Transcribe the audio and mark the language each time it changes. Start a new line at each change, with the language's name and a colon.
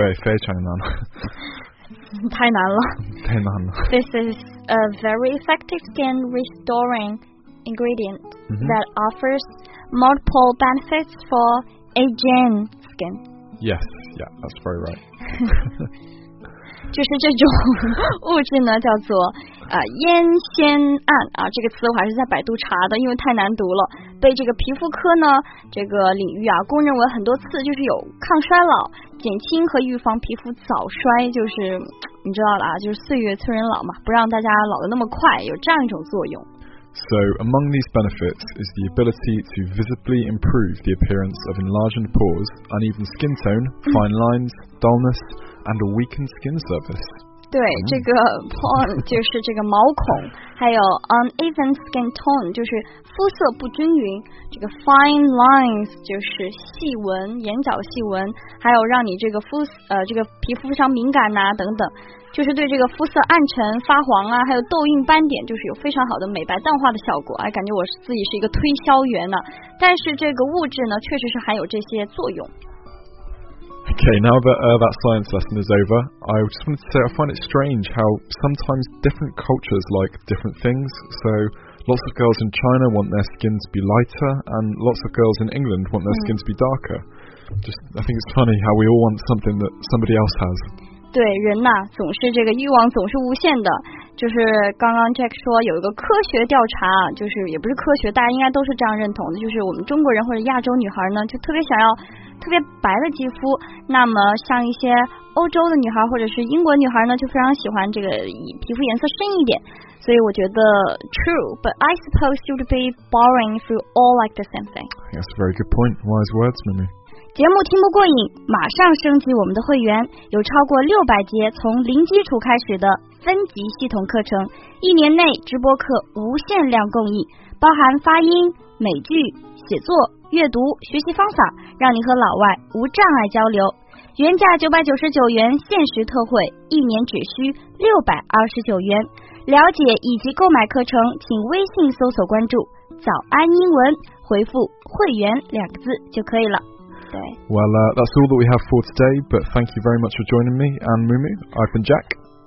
Chinese: 对，非常难。太难了。太难了。
English: This is a very effective skin restoring ingredient that offers multiple benefits for aging skin. Yes, yeah, that's very right.
Chinese: 就是这种物质呢，叫做烟酰胺啊，这个词我还是在百度查的，因为太难读了，被这个皮肤科呢这个领域啊公认为很多次，就是有抗衰老、减轻和预防皮肤早衰，就是你知道了啊，就是岁月催人老嘛，不让大家老得那么快，有这样一种作用。
English: So among these benefits is the ability to visibly improve the appearance of enlarged pores, uneven skin tone, fine lines, dullness, and a weakened skin surface.
Chinese: 对，这个 pore 就是这个毛孔，还有
English: uneven skin tone
Chinese: 就是肤色不均匀，这个
English: fine lines
Chinese: 就是细纹，眼角细纹，还有让你这个肤这个皮肤非常敏感啊等等。就是对这个肤色暗沉发黄啊，还有痘印斑点，就是有非常好的美白淡化的效果。哎，感觉我自己是一个推销员呢、啊。但是这个物质呢，确实是含有这些作用。
English: Okay, now that that science lesson is over, I just wanted to say I find it strange how sometimes different cultures like different things. So, Lots of girls in China want their skin to be lighter, and lots of girls in England want their skin to be darker. Just, I think it's funny how we all want something that somebody else has.
Chinese: 对，人呐，总是这个欲望总是无限的。就是刚刚 Jack 说有一个科学调查，就是也不是科学，大家应该都是这样认同的，就是我们中国人或者亚洲女孩呢，就特别想要特别白的肌肤。那么像一些欧洲的女孩或者是英国女孩呢，就非常喜欢这个皮肤颜色深一点。所以我觉得
English: true, but I suppose you'd be boring if you all like the same thing. That's a very good point. Wise words, Mimi.
Chinese: 节目听不过瘾，马上升级我们的会员，有超过600节从零基础开始的分级系统课程，一年内直播课无限量供应，包含发音、美剧、写作、阅读、学习方法，让你和老外无障碍交流。原价999元，限时特惠，一年只需629元。了解以及购买课程，请微信搜索关注早安英文，回复会员两个字就可以了。
English: Well, that's all that we have for today, but thank you very much for joining me and Mumu. I've been Jack.